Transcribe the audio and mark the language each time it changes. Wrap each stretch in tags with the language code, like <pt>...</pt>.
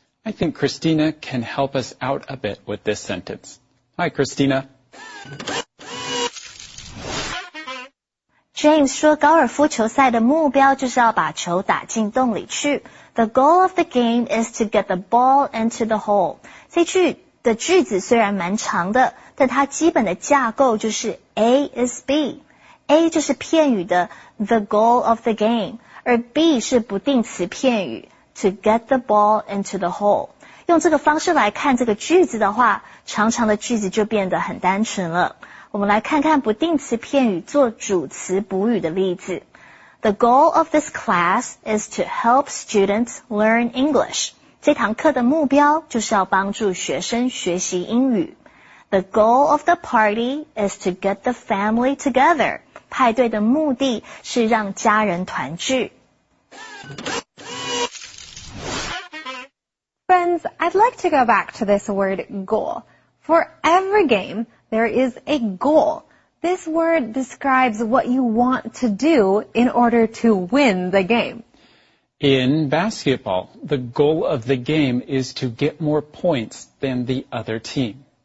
<en>I think Christina can help us out a bit with this sentence. Hi, Christina.</en> <zh>James 说高尔夫球赛的目标就是要把球打进洞里去。</zh> <en>The goal of the game is to get the ball into the hole.</en> <zh>这句的句子虽然蛮长的，但它基本的架构就是</zh> <en>A is B。</en> <zh>A 就是片语的</zh> <en>the goal of the game,</en> <zh>而 B 是不定词片语</zh> <en>to get the ball into the hole。</en> <zh>用这个方式来看这个句子的话，长长的句子就变得很单纯了。我们来看看不定词片语做主词补语的例子。</zh> <en>The goal of this class is to help students learn English.</en> <zh>这堂课的目标就是要帮助学生学习英语。</zh> <en>The goal of the party is to get the family together.</en> <zh>派对的目的是让家人团聚。</zh> <en>Friends, I'd like to go back to this word goal. For every game, there is a goal. This word describes what you want to do in order to win the game. In basketball, the goal of the game is to get more points than the other team.</en>